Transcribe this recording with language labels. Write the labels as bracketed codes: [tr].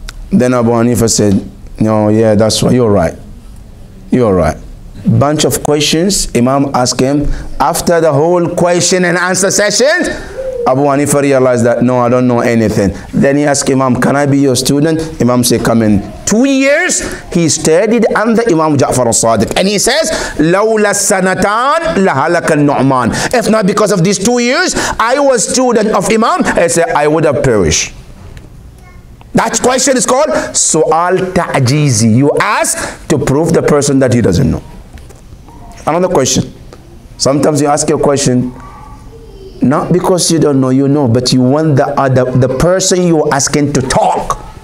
[en] Then Abu Hanifa said, no, yeah, that's right, you're right. You're right. Bunch of questions, Imam asked him, after the whole question and answer session, Abu Hanifa realized that, no, I don't know anything. Then he asked Imam, can I be your student? Imam said, come in. 2 years, he studied under Imam Ja'far al-Sadiq. And he says, [ar] لَوْلَا السَّنَتَان لَهَلَكَ النُّعْمَانِ. [en] If not because of these 2 years, I was student of Imam, he said, I would have perished. That question is called, [ar] سُؤَال تَعْجِيزِ. [en] You ask to prove the person that he doesn't know. Another question. Sometimes you ask a question, not because you don't know, you know, but you want the person you're asking to talk.